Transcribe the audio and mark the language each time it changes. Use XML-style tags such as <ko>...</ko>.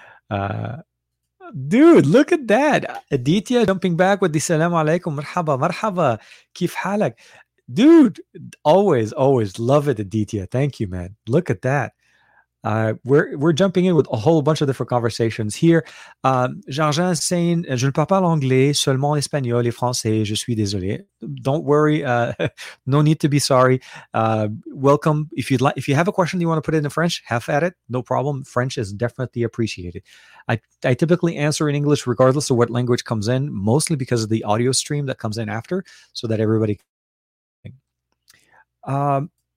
<en>Dude, look at that. Aditya jumping back with the</en> <ar>salamu alaikum, marhaba, kif halak.</ar> <en>Dude, always love it, Aditya. Thank you, man. Look at that. We're jumping in with a whole bunch of different conversations here. Jargin is saying,</en> <fr>je ne parle pas l'anglais, seulement l'espagnol et français, je suis désolé.</fr> <en>Don't worry, no need to be sorry. Welcome. If you'd like, if you have a question you want to put in French, have at it, no problem. French is definitely appreciated. I typically answer in English regardless of what language comes in, mostly because of the audio stream that comes in after, so that everybody can.</en>